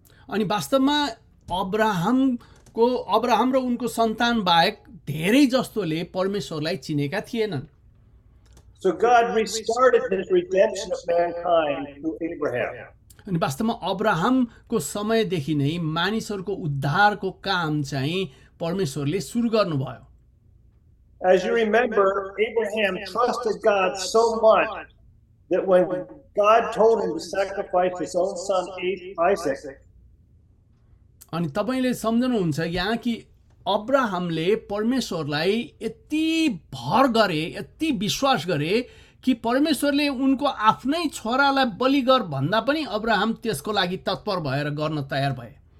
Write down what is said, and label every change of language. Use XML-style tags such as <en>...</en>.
<ne>अनि वास्तवमा अब्राहम को अब्राहम र उनको सन्तान बाहेक धेरै जस्तोले परमेश्वरलाई चिनेका थिएनन्।</ne> <en>So God restarted his redemption of mankind through Abraham.</en> <ne>अनि वास्तवमा अब्राहमको समयदेखि नै मानिसहरूको उद्धारको काम चाहिँ परमेश्वरले सुरु गर्नुभयो।</ne> <en>As you remember, Abraham trusted God so much that when God told him to sacrifice his own son Isaac.</en> <ne>अनि तपाईँले सम्झनुहुन्छ यहाँ कि अब्राहमले परमेश्वरलाई यति भर गरे, यति विश्वास गरे कि परमेश्वरले उनको आफ्नै छोरालाई बलि गर भन्दा पनि अब्राहम त्यसको लागि तत्पर भएर गर्न तयार भए।</ne>